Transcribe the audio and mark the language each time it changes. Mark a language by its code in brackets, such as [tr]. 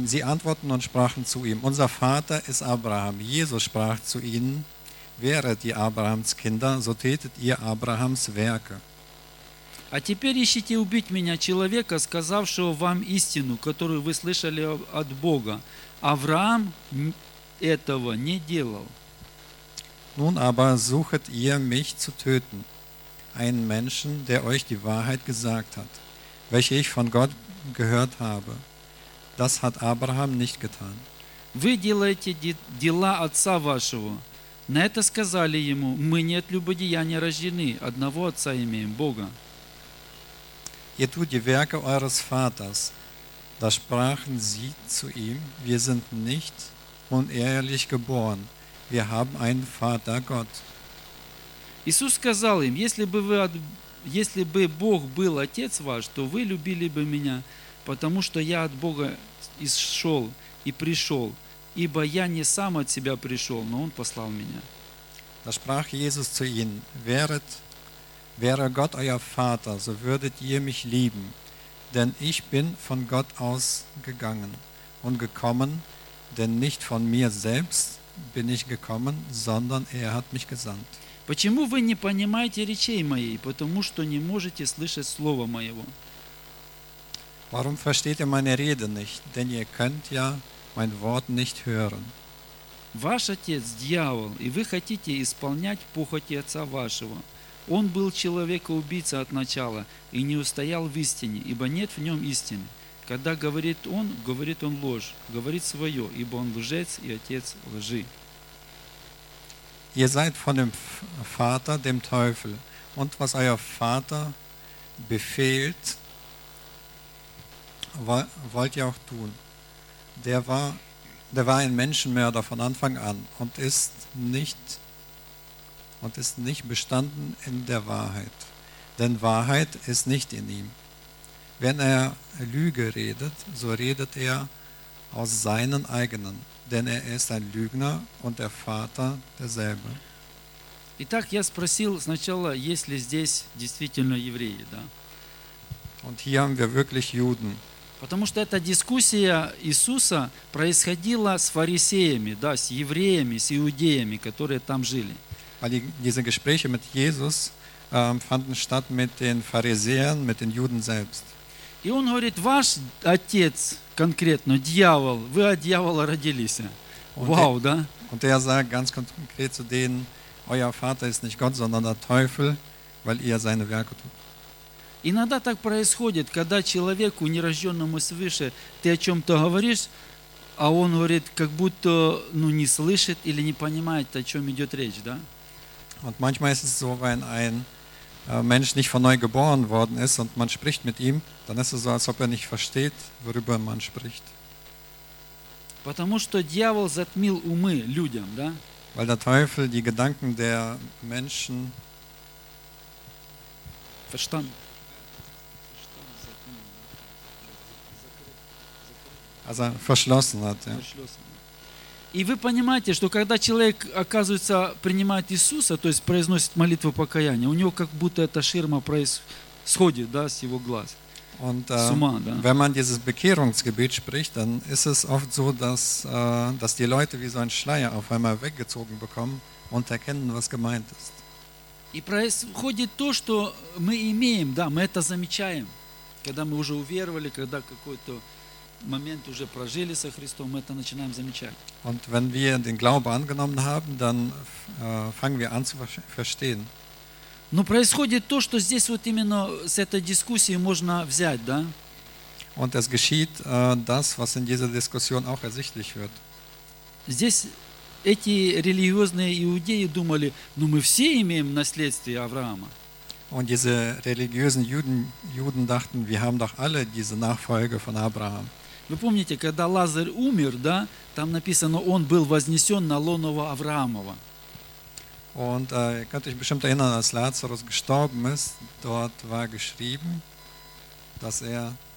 [de] Sie antworten und sprachen zu ihm, unser Vater ist Abraham. Jesus sprach zu ihnen, wäret ihr Abrahams Kinder, so tätet ihr Abrahams Werke. [ru] А теперь ищите убить меня, человека, сказавшего вам истину, которую вы слышали от Бога. Авраам этого не делал. [de] Nun aber suchet ihr mich zu töten, einen Menschen, der euch die Wahrheit gesagt hat, welche ich von Gott gehört habe. Das hat Abraham nicht getan. [ru] Вы делаете дела отца вашего. На это сказали ему, мы не от любодеяния рождены, одного отца имеем, Бога. [de] Ihr tut die Werke eures Vaters. Da sprachen sie zu ihm, wir sind nicht unehrlich geboren. Wir haben einen Vater Gott. [ru] Иисус сказал им, если бы Бог был отец ваш, то вы любили бы меня, потому что я от Бога исшел и пришел, ибо я не сам от себя пришел, но Он послал меня. [de] Da sprach Jesus zu ihnen, Wäre Gott euer Vater, so würdet ihr mich lieben, denn ich bin von Gott ausgegangen und gekommen, denn nicht von mir selbst bin ich gekommen, sondern er hat mich gesandt. [ru] Почему вы не понимаете речей моей, потому что не можете слышать слова моего? [de] Warum versteht ihr meine Rede nicht, denn ihr könnt ja mein Wort nicht hören? [ru] Ваш отец дьявол, и вы хотите исполнять похоти отца вашего. Он был человекоубийца от начала и не устоял в истине, ибо нет в нем истины. Когда говорит он ложь, говорит свое, ибо он лжец и отец лжи. [de] Ihr seid von dem Vater, dem Teufel, und was euer Vater befehlt, wollt ihr auch tun. Der war ein Menschenmörder von Anfang an und ist nicht bestanden in der Wahrheit, denn Wahrheit ist nicht in ihm. Wenn er Lüge redet, so redet er aus seinen eigenen, denn er ist ein Lügner und der Vater derselbe. [ru] Итак, я спросил сначала, есть ли здесь действительно евреи, да? [de] Und hier haben wir wirklich Juden. [ru] Потому что эта дискуссия Иисуса происходила с фарисеями, да, с евреями, с иудеями, которые там жили. [de] Weil diese Gespräche mit Jesus fanden statt mit den Pharisäern, mit den Juden selbst. [ru] И он говорит, ваш отец конкретно, дьявол, вы от дьявола родились. Wow, да? [de] Und er sagt ganz konkret zu denen, euer Vater ist nicht Gott, sondern der Teufel, weil ihr seine Werke tut. [ru] Иногда так происходит, когда человеку, нерожденному свыше, ты о чем-то говоришь, а он говорит, как будто ну, не слышит или не понимает, о чем идет речь, да? [de] Und manchmal ist es so, wenn ein Mensch nicht von neu geboren worden ist und man spricht mit ihm, dann ist es so, als ob er nicht versteht, worüber man spricht. [ru] Потому что дьявол затмил умы людям, да? [de] Weil der Teufel die Gedanken der Menschen verschlossen hat, ja. [ru] И вы понимаете, что когда человек, оказывается, принимает Иисуса, то есть произносит молитву покаяния, у него как будто эта ширма происходит, да, с его глаз. Und, с ума, да. [de] Wenn man dieses Bekehrungsgebet spricht, dann ist es oft so, dass die Leute wie so ein Schleier auf einmal weggezogen bekommen und erkennen, was gemeint ist. [ru] И происходит то, что мы имеем, да, мы это замечаем, когда мы уже уверовали, когда какой-то Moment уже прожили со Христом, мы это начинаем замечать. [de] Und wenn wir den Glauben angenommen haben, dann fangen wir an zu verstehen. [ru] Но происходит то, что здесь вот именно с этой дискуссии можно взять, да? [de] Und es geschieht das, was in dieser Diskussion auch ersichtlich wird. [ru] Здесь эти религиозные иудеи думали, ну мы все имеем наследствие Авраама. [de] Und diese religiösen Juden dachten, wir haben doch alle diese Nachfolge von Abraham. [ru] Вы помните, когда Лазарь умер, да, там написано, он был вознесен на лоно Авраамова. [de] Und ihr könnt euch bestimmt erinnern, als Lazarus gestorben ist, dort war geschrieben, dass er